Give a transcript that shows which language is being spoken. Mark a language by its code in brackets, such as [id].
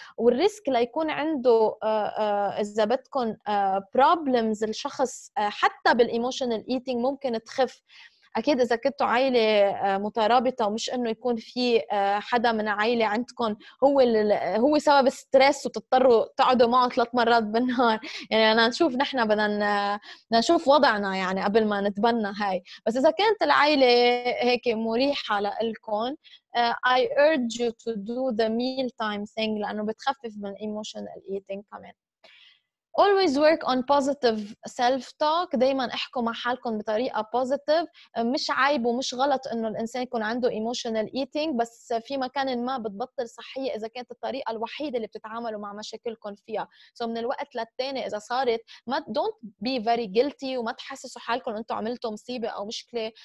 [ar] والريسك ليكون عنده اذا بدكم problems الشخص حتى بالايموشنال ايتينج ممكن تخف أكيد إذا كنتوا عائلة مترابطة, ومش إنه يكون في حدا من عائلة عندكم هو سبب ستريس وتضطروا تقعدوا معه 3 مرات بالنهار. يعني أنا نشوف نحن بدنا نشوف وضعنا يعني قبل ما نتبنى هاي. بس إذا كانت العائلة هيك مريحة لإلكم, [en] I urge you to do the meal time thing [ar] لأنه بتخفف من emotional eating كمان. [en] Always work on positive self-talk. [ar] دايما احكوا مع حالكم بطريقة positive. مش عيب ومش غلط انه الانسان يكون عنده emotional eating, بس في مكان ما بتبطل صحية اذا كانت الطريقة الوحيدة اللي بتتعاملوا مع مشاكلكم فيها. So من الوقت للتاني اذا صارت ما [en] don't be very guilty [ar] وما تحسسوا حالكم انتم عملتوا مصيبة او مشكلة.